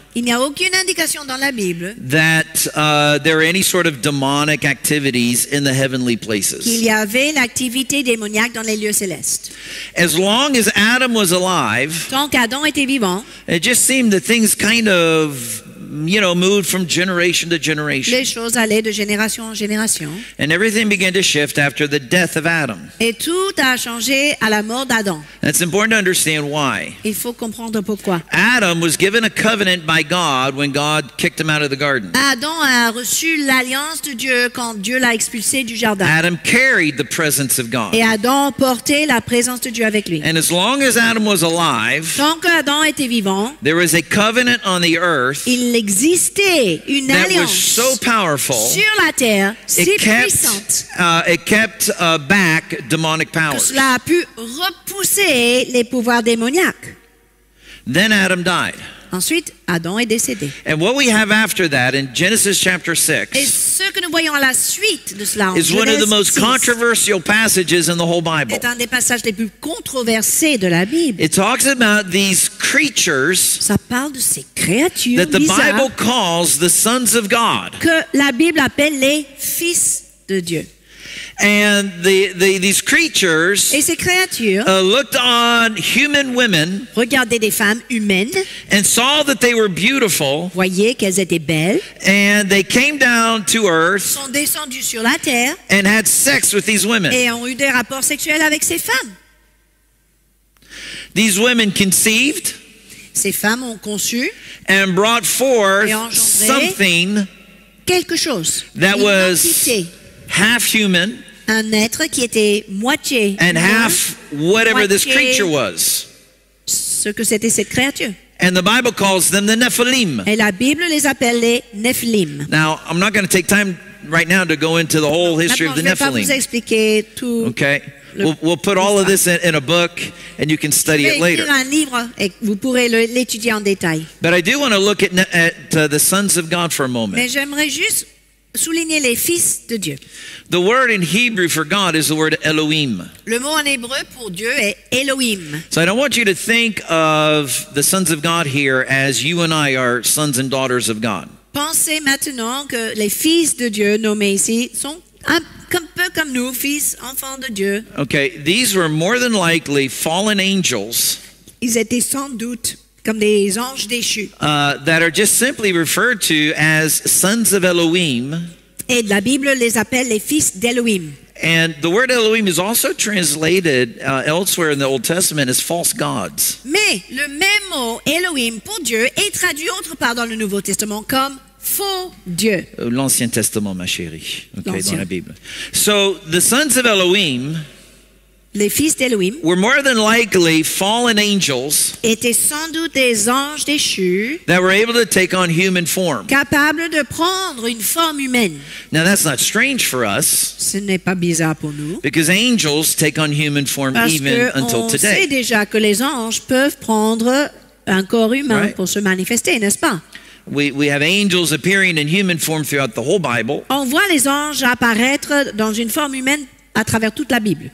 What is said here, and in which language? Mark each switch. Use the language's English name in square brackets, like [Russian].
[French] Il n'y a aucune indication dans la Bible [English] that there are any sort of demonic activities in the heavenly places. [French] Qu'il y avait l'activité démoniaque dans les lieux célestes. [English] As long as Adam was alive, [French] tant qu'Adam était vivant, [English] it just seemed that things kind of, you know, moved from generation to generation. [French] Les choses allaient de génération en génération. [English] And everything began to shift after the death of Adam. [French] Et tout a changé à la mort d'Adam. [English] And it's important to understand why. [French] Il faut comprendre pourquoi. [English] Adam was given a covenant by God when God kicked him out of the garden. [French] Adam a reçu l'alliance de Dieu quand Dieu l'a expulsé du jardin. [English] Adam carried the presence of God. [French] Et Adam portait la présence de Dieu avec lui. [English] And as long as Adam was alive, [French] tant qu'Adam était vivant, [English] there was a covenant on the earth. [French] Il existait une alliance [English] so powerful, [French] sur la terre, si [English] it kept, [French] puissante [English] it kept, back demonic powers. [French] Que cela a pu repousser les pouvoirs démoniaques. [English] Then Adam died. [French] Ensuite, Adam est décédé. [English] And what we have after that in Genesis chapter 6 [French] et ce que nous voyons à la suite de cela en [English] is one of the most controversial passages in the whole Bible. [French] Est un des passages les plus controversés de la Bible. [English] It talks about these creatures [French] ça parle de ces créatures [English] that the Bible calls the sons of God. [French] Que la Bible appelle les fils de Dieu. [English] And these creatures [French] et ces créatures, [English] looked on human women [French] regardaient des femmes humaines, [English] and saw that they were beautiful. [French] Voyaient qu'elles étaient belles, [English] and they came down to earth [French] sont descendues sur la terre, [English] and had sex with these women. [French] Et ont eu des rapports sexuels avec ces femmes. [English] These women conceived [French] ces femmes ont conçu, [English] and brought forth [French] et engendré [English] something [French] quelque chose, [English] that was [French] identité. [English] Half human, [French] un être qui était moitié, [English] and half whatever this creature was. [French] Ce que c'était cette créature. [English] And the Bible calls them the Nephilim. [French] Et la Bible les appelle les Nephilim. [English] Now, I'm not going to take time right now to go into the whole history of the Nephilim. [French] Pas vous expliquer tout [English] okay. We'll put all of this in a book, and you can study it later. [French] Un livre et vous pourrez l'étudier en détail. [English] But I do want to look at the sons of God for a moment. [French] Mais j'aimerais juste souligner les fils de Dieu. [English] The word in Hebrew for God is the word Elohim. [French] Le mot en hébreu pour Dieu est Elohim. [English] So I don't want you to think of the sons of God here as you and I are sons and daughters of God. [French] Pensez maintenant que les fils de Dieu nommés ici sont un peu comme nous, fils, enfants de Dieu. [English] Okay, these were more than likely fallen angels. [French] Ils étaient sans doute comme des anges déchus. [English] That are just simply referred to as sons of Elohim. [French] Et la Bible les appelle les fils d'Elohim. [English] And the word Elohim is also translated elsewhere in the Old Testament as false gods. [French] Mais le même mot Elohim pour Dieu est traduit autre part dans le Nouveau Testament comme faux Dieu. L'Ancien Testament, ma chérie. Okay, L'Ancien. Dans la Bible. [English] So the sons of Elohim, [French] les fils d'Elohim, [English] were more than likely fallen angels, [French] étaient sans doute des anges déchus, [English] that were able to take on human form, [French] capables de prendre une forme humaine. [English] Now that's not strange for us, [French] ce n'est pas bizarre pour nous, [English] because angels take on human form even until today. [French] Parce qu'on sait déjà que les anges peuvent prendre un corps humain, right, pour se manifester, n'est-ce pas? [English] We have angels appearing in human form throughout the whole Bible. [French] On voit les anges apparaître dans une forme humaine à travers toute la Bible.